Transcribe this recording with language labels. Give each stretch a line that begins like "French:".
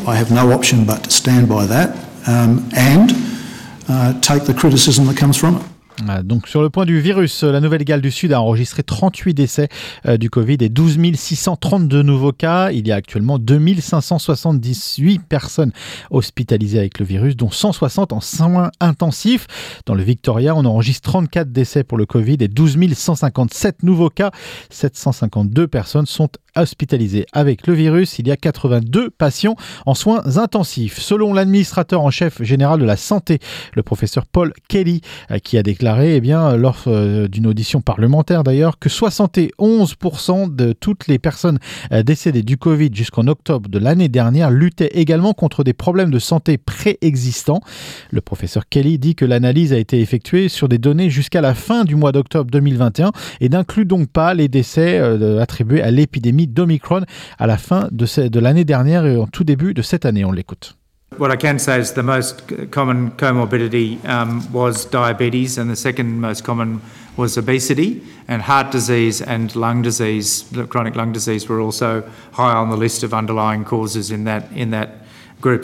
English: I have no option but to stand by that and take the criticism that comes from it.
French: Donc sur le point du virus, la Nouvelle-Galles du Sud a enregistré 38 décès du Covid et 12 632 nouveaux cas. Il y a actuellement 2 578 personnes hospitalisées avec le virus, dont 160 en soins intensifs. Dans le Victoria, on enregistre 34 décès pour le Covid et 12 157 nouveaux cas. 752 personnes sont hospitalisées avec le virus. Il y a 82 patients en soins intensifs. Selon l'administrateur en chef général de la santé, le professeur Paul Kelly, qui a déclaré lors d'une audition parlementaire d'ailleurs, que 71% de toutes les personnes décédées du Covid jusqu'en octobre de l'année dernière luttaient également contre des problèmes de santé préexistants. Le professeur Kelly dit que l'analyse a été effectuée sur des données jusqu'à la fin du mois d'octobre 2021 et n'inclut donc pas les décès attribués à l'épidémie d'Omicron à la fin de l'année dernière et en tout début de cette année. On l'écoute.
English: What I can say is the most common comorbidity was diabetes, and the second most common was obesity, and heart disease and lung disease, chronic lung disease, were also high on the list of underlying causes in that group.